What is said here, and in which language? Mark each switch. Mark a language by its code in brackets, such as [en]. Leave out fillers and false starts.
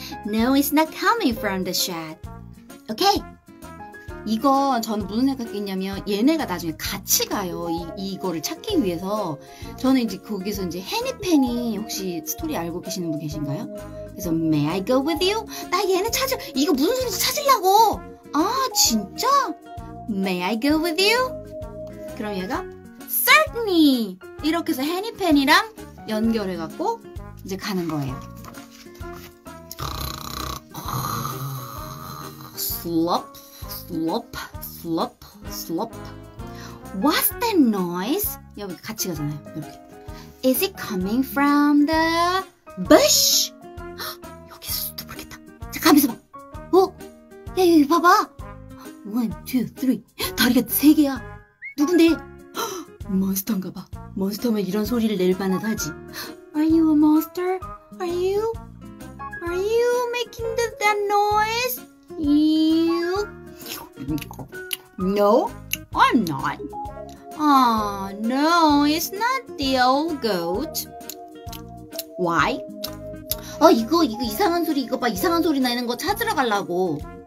[en] No, it's not coming from the shed. Okay. [ko] 이건 저는 무슨 생각했냐면 얘네가 나중에 같이 가요. 이거를 찾기 위해서. 저는 이제 거기서 이제 해니펜이 혹시 스토리 알고 계시는 분 계신가요? 그래서 [en] May I go with you? [ko] 나 얘네 찾으. 이거 무슨 소리인지 찾으려고. 아, 진짜? [en] May I go with you? [ko] 그럼 얘가 [en] Certainly! [ko] 이렇게 해서 해니펜이랑 연결해갖고 이제 가는 거예요. [en] Slop, slop, slop, slop. What's that noise? [ko] 여기 같이 가잖아요. 이렇게. [en] Is it coming from the bush? [ko] 여기서도 모르겠다. 자, 가만히 있어봐. 어? 야, 여기 봐봐. [en] One, two, three. [ko] 다리가 세 개야. 누군데? 몬스터인가 봐. 몬스터면 이런 소리를 낼 만은 하지. [en] Are you a monster? Are you making that noise? You? No, I'm not. Oh, no, it's not the old goat. Why? [ko] 어, 이거 이상한 소리, 이거 봐. 이상한 소리 나는 거 찾으러 가려고.